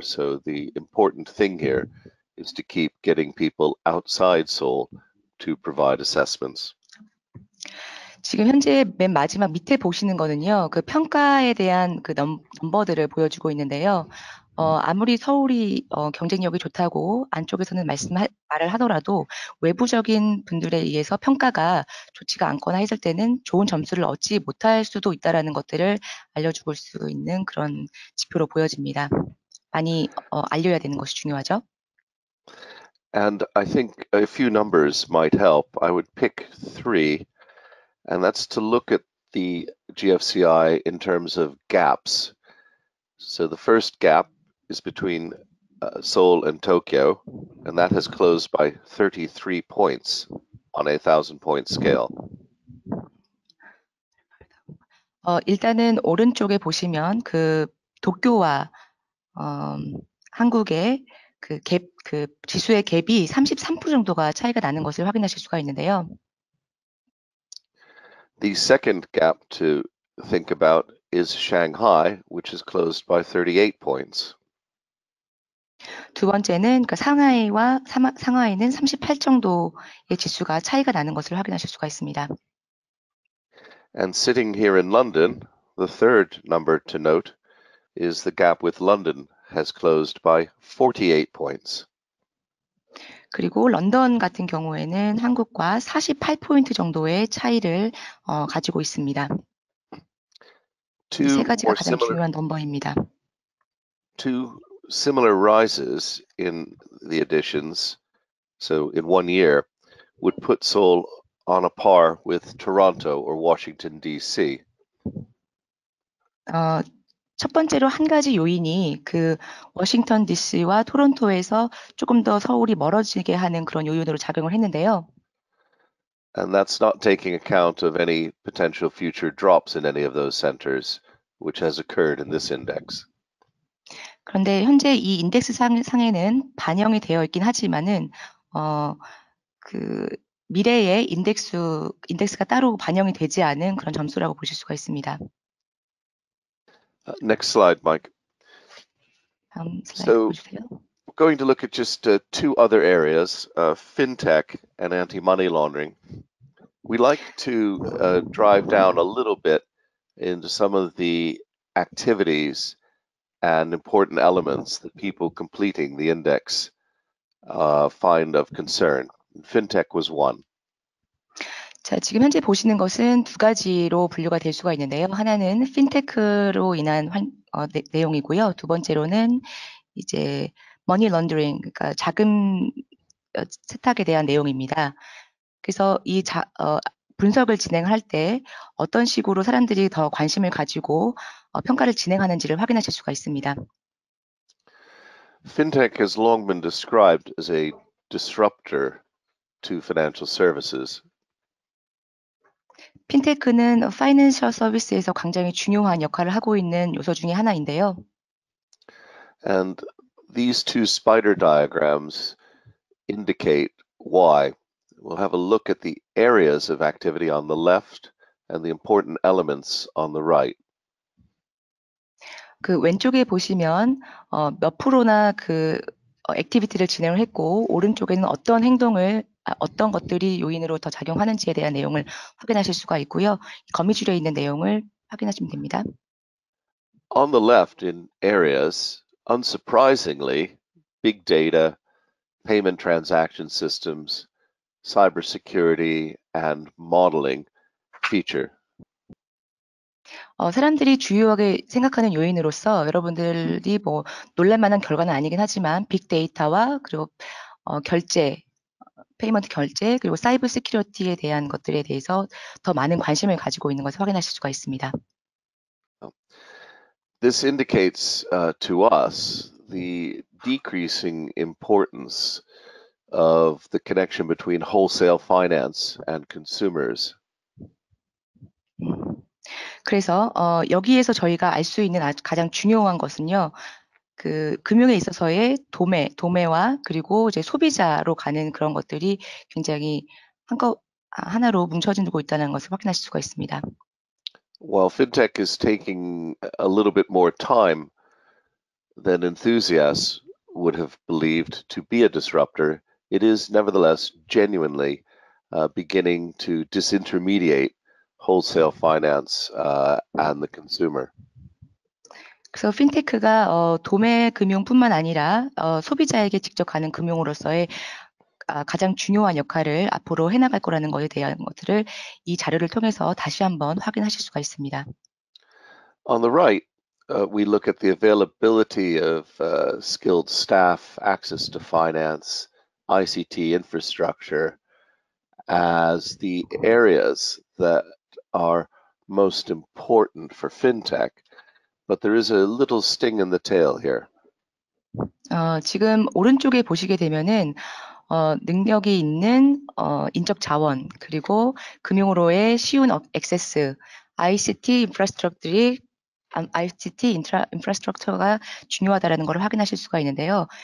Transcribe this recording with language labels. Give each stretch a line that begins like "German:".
English: So the important thing here is to keep getting people outside Seoul to provide assessments.
Korean: 지금 현재 맨 마지막 밑에 보시는 거는요, 그 평가에 대한 그 넘버들을 보여주고 있는데요. 아무리 서울이 경쟁력이 좋다고 안쪽에서는 말을 하더라도 외부적인 분들에 의해서 평가가 좋지가 않거나 했을 때는 좋은 점수를 얻지 못할 수도 있다라는 것들을 알려줄 수 있는 그런 지표로 보여집니다. 많이 알려야 되는 것이 중요하죠.
English: And I think a few numbers might help. I would pick three, and that's to look at the GFCI in terms of gaps. So the first gap is between Seoul and Tokyo, and that has closed by 33 points on a 1,000-point scale.
Korean: 일단은 오른쪽에 보시면 그 도쿄와 한국의 그 지수의 갭이 33% 정도가 차이가 나는 것을 확인하실 수가 있는데요.
English: The second gap to think about is Shanghai, which is closed by 38 points.
Korean: 두 번째는 그 상하이와 상하이는 38 정도의 지수가 차이가 나는 것을 확인하실 수가 있습니다.
English: And sitting here in London, the third number to note is the gap with London has closed by 48 points.
Korean: 그리고 런던 같은 경우에는 한국과 48포인트 정도의 차이를 가지고 있습니다. 세 가지가 가장 중요한 넘버입니다.
English: Two similar rises in the additions, so in one year, would put Seoul on a par with Toronto or Washington, D.C.
Korean: 첫 번째로 한 가지 요인이 그 워싱턴 DC와 토론토에서 조금 더 서울이 멀어지게 하는 그런 요인으로 작용을 했는데요.
English: And that's not taking account of any potential future drops in any of those centers, which has occurred in this index.
Korean: 그런데 현재 이 인덱스 상에는 반영이 되어 있긴 하지만은 그 미래의 인덱스가 따로 반영이 되지 않은 그런 점수라고 보실 수가 있습니다.
English: Next slide, Mike.
Korean: 다음 슬라이드 보시죠.
English: So, going to look at just two other areas, fintech and anti-money laundering. We like to drive down a little bit into some of the activities and important elements that people completing the index find of concern. Fintech was one.
Korean: 자, 지금 현재 보시는 것은 두 가지로 분류가 될 수가 있는데요. 하나는 핀테크로 인한 내용이고요. 두 번째로는 이제 머니 런더링, 그러니까 자금 세탁에 대한 내용입니다. 그래서 이 분석을 진행할 때 어떤 식으로 사람들이 더 관심을 가지고 평가를 진행하는지를 확인하실 수가 있습니다.
English: Fintech has long been described as a disruptor to financial services.
Korean: 핀테크는 파이낸셜 서비스에서 굉장히 중요한 역할을 하고 있는 요소 중에 하나인데요.
English: And these two spider diagrams indicate why. We'll have a look at the areas of activity on the left and the important elements on the right.
Korean: 그 왼쪽에 보시면 몇 프로나 그 액티비티를 진행을 했고 오른쪽에는 어떤 행동을 어떤 것들이 요인으로 더 작용하는지에 대한 내용을 확인하실 수가 있고요. 거미줄에 있는 내용을 확인하시면 됩니다.
English: On the left in areas, unsurprisingly, big data, payment transaction systems, cybersecurity and modeling feature.
Korean: 사람들이 주요하게 생각하는 요인으로서 여러분들이 뭐 놀랄만한 결과는 아니긴 하지만 빅데이터와 그리고 결제 페이먼트 결제 그리고 사이버 시큐리티에 대한 것들에 대해서 더 많은 관심을 가지고 있는 것을 확인하실 수가 있습니다.
English: This indicates to us the decreasing importance of the connection between wholesale finance and consumers.
Korean: 그래서 여기에서 저희가 알 수 있는 가장 중요한 것은요. 그 금융에 있어서의 도매와 그리고 이제 소비자로 가는 그런 것들이 굉장히 하나로 뭉쳐지고 있다는 것을 확인하실 수가 있습니다.
English: While fintech is taking a little bit more time than enthusiasts would have believed to be a disruptor, it is nevertheless genuinely beginning to disintermediate wholesale finance and the consumer.
Korean: 그래서 핀테크가 도매 금융뿐만 아니라 소비자에게 직접 가는 금융으로서의 가장 중요한 역할을 앞으로 해나갈 거라는 것에 대한 것들을 이 자료를 통해서 다시 한번 확인하실 수가 있습니다.
English: On the right, we look at the availability of skilled staff, access to finance, ICT infrastructure as the areas that are most important for fintech. But there is a little sting in the tail here.
Korean: 지금 오른쪽에 보시게 되면은 능력이 있는 인적 자원 그리고 금융으로의 쉬운 액세스, ICT 인프라스트럭처들이 ICT 인프라스트럭처가 중요하다는 것을 확인하실 수가 있는데요.